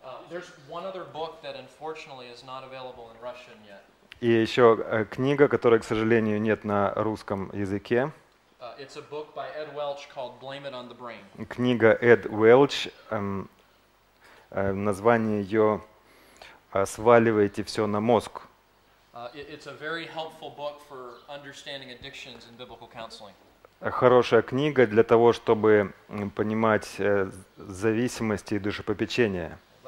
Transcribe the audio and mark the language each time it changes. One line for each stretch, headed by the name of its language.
English: There's one other book that unfortunately is not available in Russian yet.
Russian: И еще книга, которая, к сожалению, нет на русском языке.
English: It's a book by Ed Welch called Blame It on the Brain.
Russian: Книга Эд Уэлч, название ее «Сваливайте все на мозг».
English: It's a very helpful book for understanding addictions and biblical counseling.
Russian: Хорошая книга для того, чтобы понимать зависимости и душепопечения.